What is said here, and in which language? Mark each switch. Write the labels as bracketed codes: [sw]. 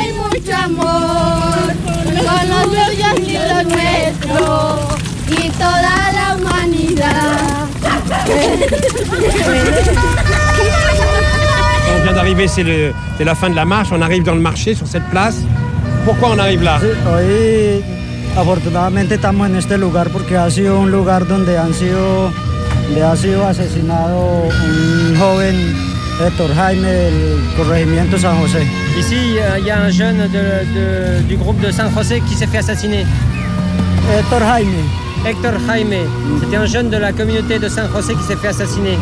[es] Mucho amor con los tuyos y los nuestros y toda la humanidad. [fr] On vient d'arriver, c'est la fin de la marche, on arrive dans le marché sur cette place. Pourquoi on arrive là? Oui, [es] afortunadamente estamos en este lugar porque ha sido un lugar donde ha sido asesinado un joven Héctor Jaime, le corregimiento San José. [fr] Ici, il y a un jeune du groupe de San José qui s'est fait assassiner. Héctor Jaime. Mm-hmm. C'était un jeune de la communauté de San José qui s'est fait assassiner.